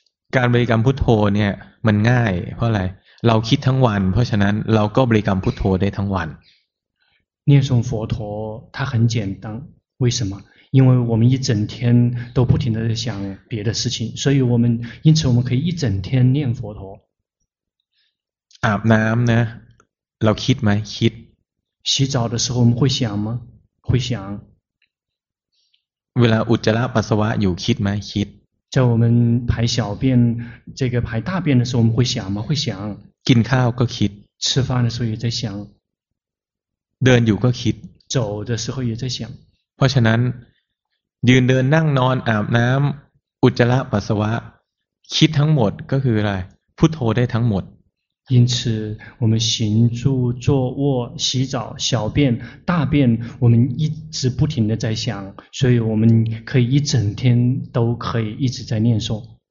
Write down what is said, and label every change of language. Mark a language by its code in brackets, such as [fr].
[th] การบริกรรมพุทโธเนี่ยมันง่ายเพราะอะไรเราคิดทั้งวันเพราะฉะนั้นเราก็บริกรรมพุทโธได้ทั้งวัน [zh] 念诵佛陀它很简单为什么因为我们一整天都不停地想别的事情所以我们因此我们可以一整天念佛陀 [th] อาบน้ำนะเราคิดไหมคิด [zh] 洗澡的时候我们会想吗会想 [th] เวลาอุจจาระปัสสาวะอยู่คิดไหมคิด [zh] 在我们排小便这个排大便的时候我们会想吗会想 [th] กินข้าวก็คิด [zh] 吃饭的时候也在想 [th] เดินอยู่ก็คิด [zh] 走的时候也在想 [th] เพราะฉะนั้นยืนเดินนั่งนอนอาบน้ำอุจจาระปัสสาวะคิดทั้งหมดก็คืออะไรพุทโธได้ทั้งหมด [zh] 因此我们行住坐卧洗澡小便大便我们一直不停地在想所以我们可以一整天都可以一直在念诵